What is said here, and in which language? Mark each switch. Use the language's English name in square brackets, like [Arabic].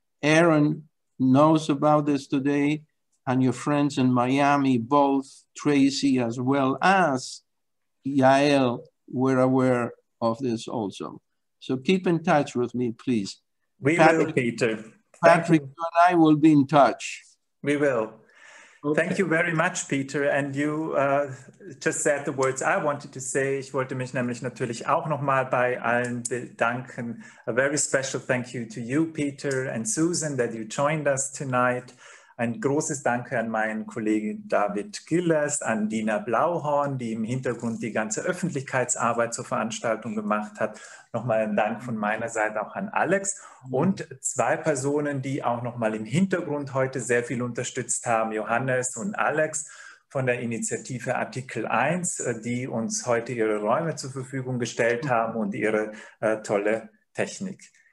[English] Aaron knows about this today, and your friends in Miami, both Tracy as well as Yael, were aware of this also. So keep in touch with me, please. We Patrick, will, Peter. Patrick, you and I will be in touch. We will. Okay. Thank you very much, Peter. And you just said the words I wanted to say. [German] Ich wollte mich nämlich natürlich auch nochmal bei allen bedanken. [English] A very special thank you to you, Peter and Susan, that you joined us tonight. [German] Ein großes Danke an meinen Kollegen David Gillers, an Dina Blauhorn, die im Hintergrund die ganze Öffentlichkeitsarbeit zur Veranstaltung gemacht hat. Nochmal ein Dank von meiner Seite auch an Alex und zwei Personen, die auch nochmal im Hintergrund heute sehr viel unterstützt haben, Johannes und Alex von der Initiative Artikel 1, die uns heute ihre Räume zur Verfügung gestellt haben und ihre tolle Technik.